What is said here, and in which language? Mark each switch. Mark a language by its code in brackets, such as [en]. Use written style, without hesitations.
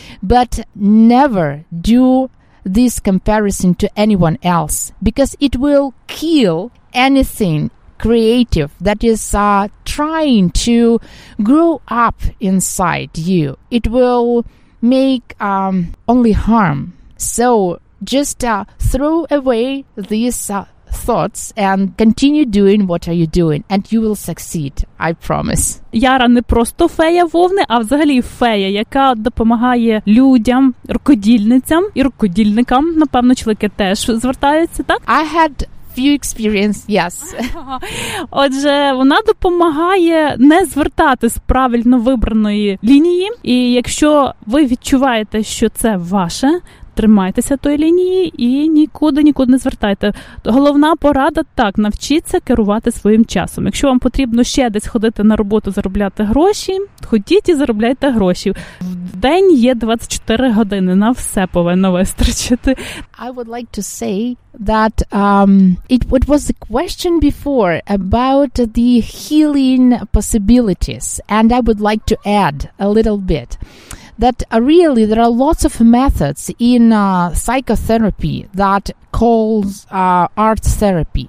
[en] But never do this comparison to anyone else, because it will kill anything creative that is trying to grow up inside you. It will make only harm. So just throw away these thoughts and continue doing what are you doing, and you will succeed, I promise. [uk] Яра не просто фея вовни, а взагалі фея, яка допомагає людям, рукодільницям і рукодільникам, напевно, чоловіки теж звертаються, так? [en] I had few experience, yes. [uk] Отже, вона допомагає не звертати з правильно вибраної лінії, і якщо ви відчуваєте, що це ваше, тримайтеся тої лінії і нікуди не звертайте. Головна порада – так, навчіться керувати своїм часом. Якщо вам потрібно ще десь ходити на роботу, заробляти гроші, ходіть і заробляйте гроші. В день є 24 години, на все повинно вистачити. [en] I would like to say that it was a question before about the healing possibilities, and I would like to add a little bit. That really there are lots of methods in psychotherapy that calls art therapy.